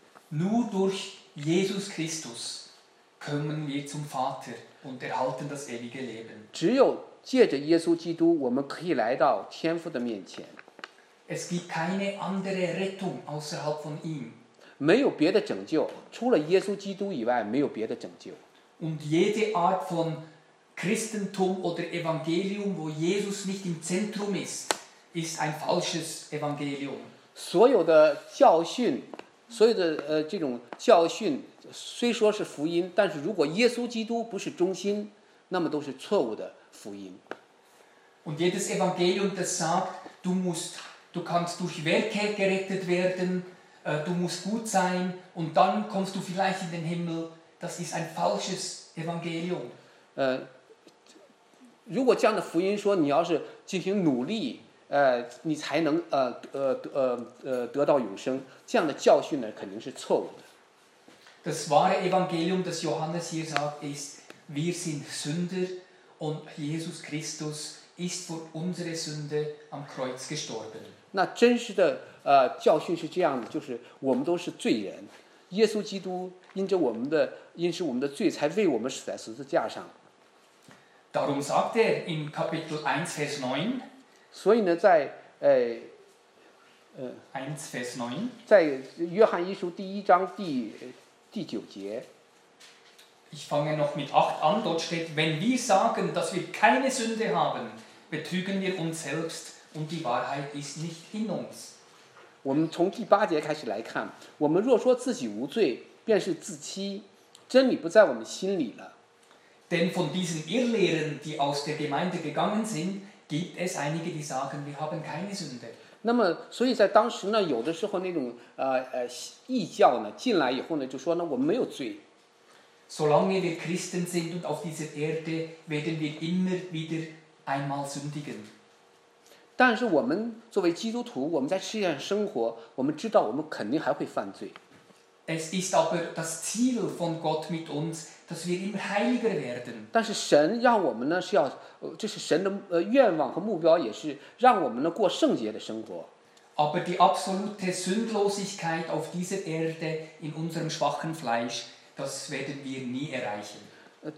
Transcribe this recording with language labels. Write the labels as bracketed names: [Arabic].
[German] Nur durch Jesus Christus kommen wir zum Vater. Und erhalten das ewige Leben. [Chinese] 只有借着耶稣基督，我们可以来到天父的面前。 [German] Es gibt keine andere Rettung außerhalb von ihm. [Chinese] 没有别的拯救，除了耶稣基督以外，没有别的拯救。 [German] Und jede Art von Christentum oder Evangelium, wo Jesus nicht im Zentrum ist, ist ein falsches Evangelium. [Chinese] 所有的教训，所有的这种教训。虽说是福音，但是如果耶稣基督不是中心，那么都是错误的福音。 [German] Und jedes Evangelium, das sagt, du kannst durch Werke gerettet werden, du musst gut sein, und dann kommst du vielleicht in den Himmel, das ist ein falsches Evangelium. [Chinese] 如果这样的福音说你要是进行努力，你才能得到永生，这样的教训呢，肯定是错误的。 [German] Das wahre Evangelium, das Johannes hier sagt, ist, wir sind Sünder und Jesus Christus ist für unsere Sünde am Kreuz gestorben. [Chinese] 那真实的教训是这样的，就是我们都是罪人，耶稣基督因是我们的罪才为我们死在十字架上。 [German] Darum sagt er in Kapitel 1, Vers 9, [Chinese] 所以呢，在 [German] 1, Vers 9, [Chinese] 在约翰一书第一章第九节。 [German] Ich fange noch mit 8 an. Dort steht, wenn wir sagen, dass wir keine Sünde haben, betrügen wir uns selbst und die Wahrheit ist nicht in uns. [Chinese] 我们从第八节开始来看，我们若说自己无罪，便是自欺，真理不在我们心里了。 [German] Denn von diesen Irrlehren, die aus der Gemeinde gegangen sind, gibt es einige, die sagen, wir haben keine Sünde. [Chinese] 那么，所以在当时呢，有的时候那种异教呢进来以后呢，就说呢，我们没有罪。 [German] Solange wir Christen sind und auf dieser Erde, werden wir immer wieder einmal sündigen. [Chinese] 但是我们作为基督徒，我们在世界上生活，我们知道我们肯定还会犯罪。 [German] Es ist aber das Ziel von Gott mit uns, dass wir immer heiliger werden. [Chinese] 但是神让我们呢是要，这是神的愿望和目标，也是让我们呢过圣洁的生活。 [German] Aber die absolute Sündlosigkeit auf dieser Erde in unserem schwachen Fleisch. Das werden wir nie erreichen.